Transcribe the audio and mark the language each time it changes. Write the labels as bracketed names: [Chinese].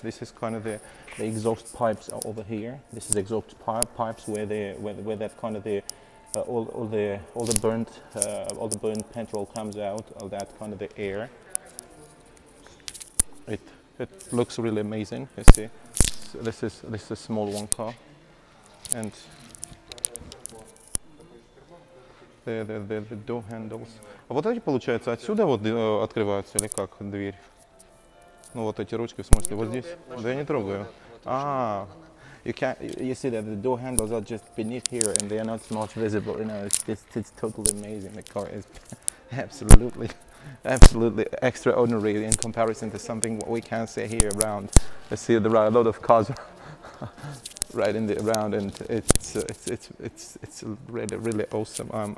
[English] This is kind of the exhaust pipes are over here. This is exhaust pipes where that kind of all the burnt petrol comes out. All that kind of the air. It looks really amazing. You see, so this is a small one car, and the door handles. [Russian] А вот эти получается отсюда вот открываются или как дверь? Ну вот эти ручки, в смысле, вот здесь? Да я не трогаю. [English] А, you see that the door handles are just beneath here, and they are not much visible. You know, it's totally amazing. The car is absolutely extraordinary in comparison to something what we can see here around. I see there are a lot of cars right in the around, and it's really really awesome.